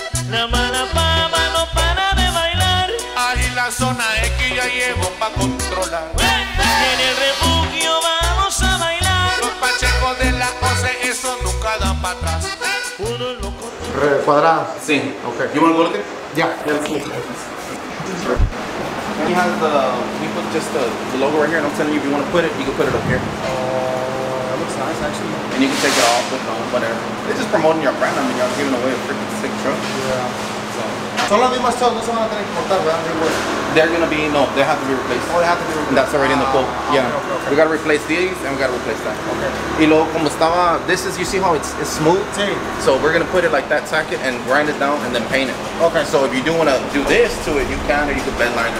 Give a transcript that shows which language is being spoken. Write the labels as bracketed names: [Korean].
[Spanish] La mala fama no para de bailar, ahí la zona es que ya llego pa' controlar. ¡Hey! En el refugio vamos a bailar, los pachecos de la cosa, eso nunca dan pa' atrás. Puro loco. ¿Recuadrada? Sí. [English] Ok. [Spanish] ¿Y un golpe? Ya. [English] He has we put just the logo right here, and I'm telling you, if you want to put it, you can put it up here. That looks nice, actually. And you can take it off with whatever. It's just promoting your brand. I mean, y'all giving away a freaking sick truck. Yeah. [Spanish] So las mismas chocs, no se van a tener que cortar, ¿verdad? [English] They're going to be, no, they have to be replaced. Oh, they have to be replaced. And that's already in the quote. Yeah. Okay. We got to replace these, and we got to replace that. Okay. [Spanish] Y luego, como estaba, [English] this is, you see how it's smooth? [Spanish] Sí. [English] So we're going to put it like that, tack it, and grind it down, and then paint it. Okay. So if you do want to do this to it, you can, or you can bed liner.